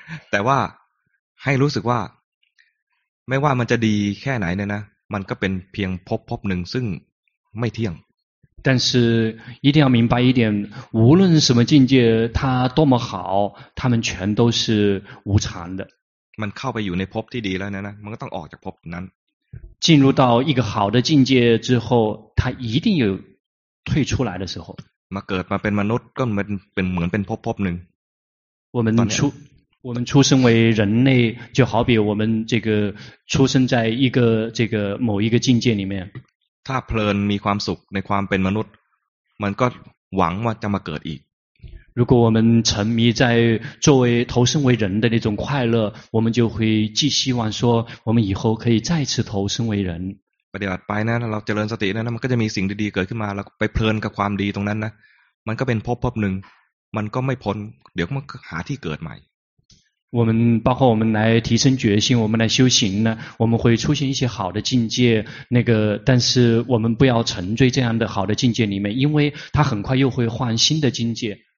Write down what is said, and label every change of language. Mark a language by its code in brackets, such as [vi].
[th] แต่ว่าให้รู้สึกว่าไม่ว่ามันจะดีแค่ไหนเนี่ยนะมันก็เป็นเพียงพบหนึ่งซึ่งไม่เที่ยง [zh] 但是一定要明白一点，无论什么境界它多么好，它们全都是无常的。 [th] มันเข้าไปอยู่ในภพที่ดีแล้วนะมันก็ต้องออกจากภพนั้น。 [zh] 进入到一个好的境界之后，它一定有退出来的时候。 [th] มาเกิดมาเป็นมนุษย์ก็เหมือนเป็นภพนึง。 [zh] 我们出生为人类，就好比我们这个出生在一个这个某一个境界里面。 [th] ถ้าเพลินมีความสุขในความเป็นมนุษย์มันก็หวังว่าจะมาเกิดอีก [zh] 如果我们沉迷在作为投生为人的那种快乐我们就会寄希望说我们以后可以再次投生为人 [th] ปฏิบัติไปนะเราเจริญสตินะมันก็จะมีสิ่งดีๆเกิดขึ้นมาแล้วไปเพลินกับความดีตรงนั้นนะมันก็เป็นพบหนึ่งมันก็ไม่พ้นเดี๋ยวมันก็หาที่เกิดใหม่ [zh] 我们包括我们来提升决心我们来修行呢我们会出现一些好的境界那个但是我们不要沉醉这样的好的境界里面因为它很快又会换新的境界